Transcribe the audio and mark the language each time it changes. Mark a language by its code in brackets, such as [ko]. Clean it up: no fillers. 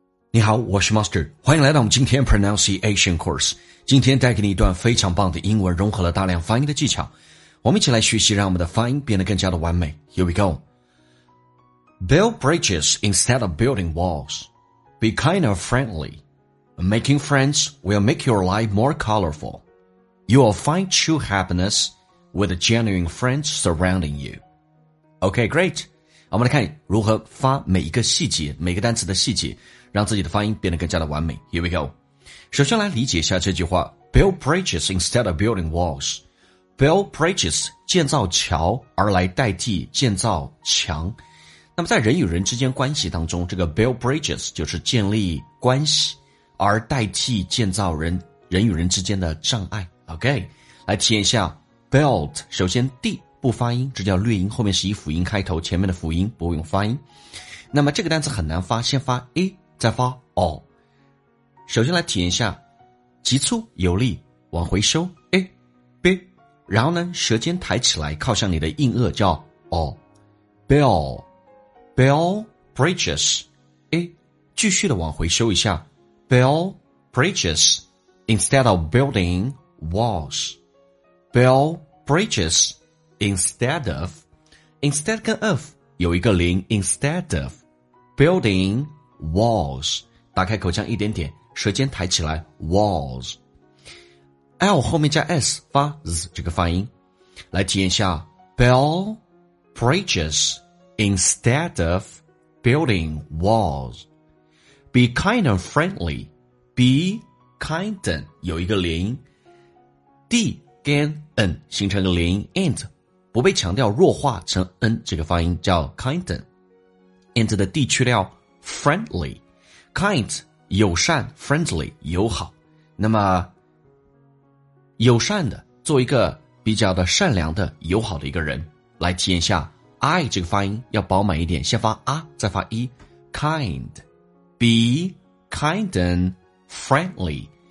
[zh] 你好，我是 Master， 欢迎来到我们今天 Pronunciation Course。今天带给你一段非常棒的英文，融合了大量发音的技巧，我们一起来学习，让我们的发音变得更加的完美。 [en] Here we go. Build bridges instead of building walls. Be kind and friendly. Making friends will make your life more colorful. You will find true happiness with genuine friends surrounding you. Okay, great. [zh] 我们来看如何发每一个细节，每个单词的细节，让自己的发音变得更加的完美。 [en] Here we go. [zh] 首先来理解一下这句话， [en] Build bridges instead of building walls. [zh] Build bridges， 建造桥，而来代替建造墙。那么在人与人之间关系当中，这个 build bridges 就是建立关系，而代替建造人与人之间的障碍。 OK， 来体验一下 build。首先 D 不发音，这叫略音，后面是以辅音开头，前面的辅音不用发音。那么这个单词很难发，先发 A再发 all。首先来体验一下，急促有力，往回收 A B， 然后呢舌尖抬起来靠向你的硬腭，叫 all。 [en] Bell Bell bridges A， [zh] 继续的往回收一下， [en] Bell bridges instead of building walls。 Bell bridges instead of， [zh] instead 跟 of 有一个零， [en] instead of building walls， [zh] 打开口腔一点点，舌尖抬起来， walls。 L 后面加 S 发 Z 这个发音，来体验一下， [en] build bridges instead of building walls。 Be kind and friendly， [zh] be kind and 有一个连音， D 跟 N 形成个连音， and 不被强调，弱化成 N， 这个发音叫 kind and， and 的 D 去掉，friendly， kind 友善， friendly 友好。那么友善的，做一个比较的善良的友好的一个人，来体验一下 I 这个发音要饱满一点，先发 A 再发 E， kind， [en] be kind and friendly。